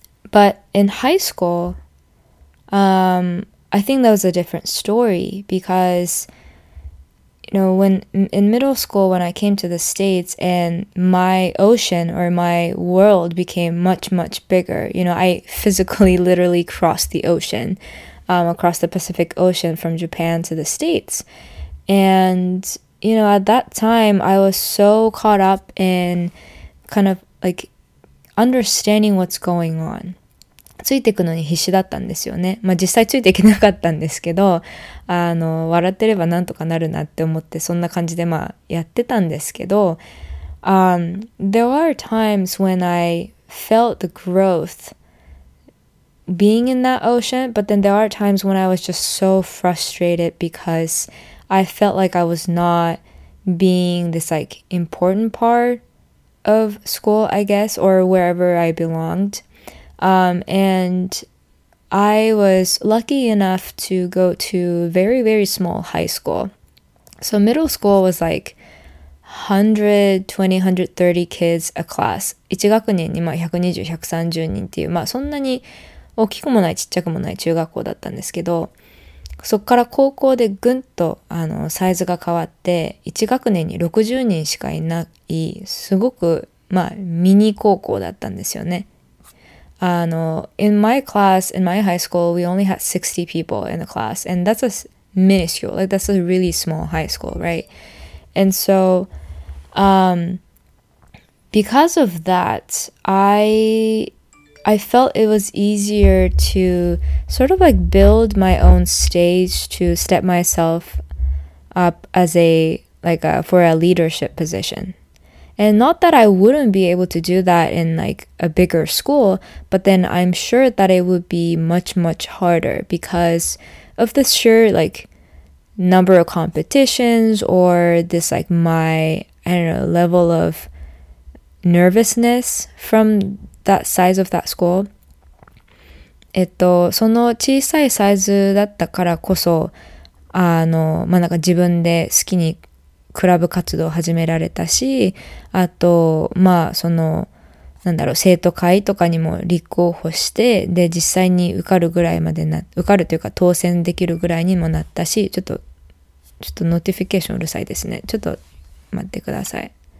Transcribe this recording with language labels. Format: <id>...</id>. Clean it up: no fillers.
<en>But in high school, I think that was a different story because, you know, when in middle school, when I came to the States and my ocean or my world became much, much bigger, you know, I physically literally crossed the ocean, across the Pacific Ocean from Japan to the States. And, you know, at that time, I was so caught up in kind of like understanding what's going on.</en> <ja>ついていくのに必死だったんですよね。まあ実際ついていけなかったんですけど、笑ってればなんとかなるなって思ってそんな感じでまあやってたんですけど、</ja> <en>There are times when I felt the growth being in that ocean, but then there are times when I was just so frustrated because I felt like I was not being this like important part of school, I guess, or wherever I belonged. And I was lucky enough to go to very, very small high school. So middle school was like 120, 130 kids a class.</en> <ja>1学年に120、130人っていう、まあそんなに大きくもない、ちっちゃくもない中学校だったんですけど、そこから高校でぐんとサイズが変わって、1学年に60人しかいない、すごく、まあ、ミニ高校だったんですよね。</ja> <en>In my class, in my high school, we only had 60 people in the class, and that's a minuscule, like that's a really small high school, right? And so, because of that, I felt it was easier to sort of like build my own stage to step myself up as a like a, for a leadership position. And not that I wouldn't be able to do that in like a bigger school, but then I'm sure that it would be much, much harder because of the sheer like number of competitions or this like my, I don't know, level of nervousness from that size of that school.</en> <ja>その小さいサイズだったからこそ、まあ、なんか自分で好きにクラブ活動を始められたし、あと、まあ、その、なんだろう、生徒会とかにも立候補して、で、実際に受かるぐらいまでな、受かるというか当選できるぐらいにもなったし、ちょっとノーティフィケーションうるさいですね。ちょっと待ってください。</ja>